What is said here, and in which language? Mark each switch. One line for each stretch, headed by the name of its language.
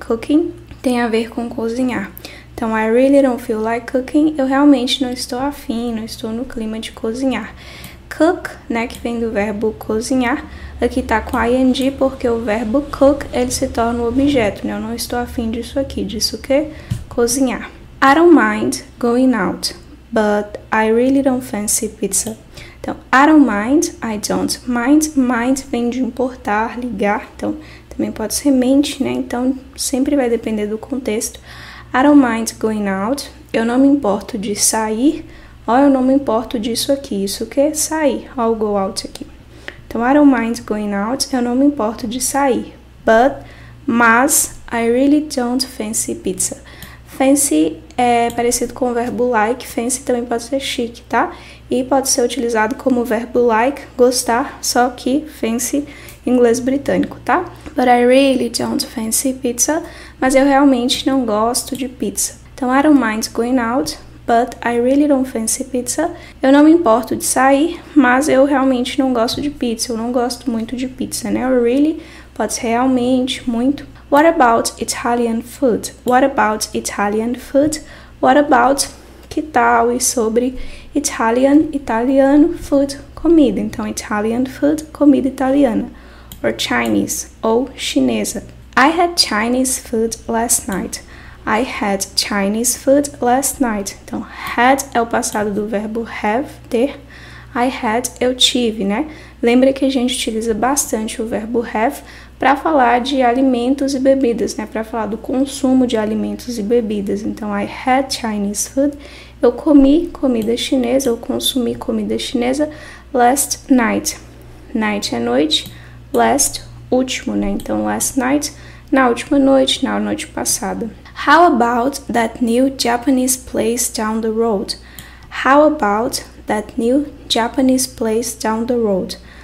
Portuguese: Cooking tem a ver com cozinhar. Então,
English: I really don't feel like cooking,
Portuguese: eu realmente não estou a fim, não estou no clima de cozinhar. Cook, né, que vem do verbo cozinhar. Aqui tá com ing porque o verbo cook ele se torna um objeto, né? Eu não estou a fim disso aqui, disso o quê? Cozinhar.
English: I don't mind going out, but I really don't fancy pizza. Então, I don't mind, I don't mind. Mind
Portuguese: vem de importar, ligar. Então, também pode ser mente, né? Então, sempre vai depender do contexto.
English: I don't mind going out.
Portuguese: Eu não me importo de sair. Olha, eu não me importo disso aqui, isso que é sair.
English: I'll go out
Portuguese: aqui. Então,
English: I don't mind going out.
Portuguese: Eu não me importo de sair. Mas,
English: I really don't fancy pizza.
Portuguese: Fancy é parecido com o verbo like. Fancy também pode ser chique, tá? E pode ser utilizado como verbo like, gostar. Só que fancy, inglês britânico, tá?
English: But I really don't fancy pizza.
Portuguese: Mas eu realmente não gosto de pizza. Então,
English: I don't mind going out. But I really don't fancy pizza.
Portuguese: Eu não me importo de sair, mas eu realmente não gosto de pizza. Eu não gosto muito de pizza, né? Really, pode ser realmente, muito.
English: What about Italian food? What about Italian food? What about
Portuguese: que tal, e sobre Italian, italiano, food, comida. Então, Italian food, comida italiana. Or Chinese, ou chinesa.
English: I had Chinese food last night. I had Chinese food last night.
Portuguese: Então, had é o passado do verbo have, ter. I had, eu tive, né? Lembra que a gente utiliza bastante o verbo have para falar de alimentos e bebidas, né? Para falar do consumo de alimentos e bebidas. Então,
English: I had Chinese food.
Portuguese: Eu comi comida chinesa, eu consumi comida chinesa last night. Night é noite. Last, último, né? Então, last night, na última noite, na noite passada.
English: How about that new Japanese place down the road? How about that new Japanese place down the road?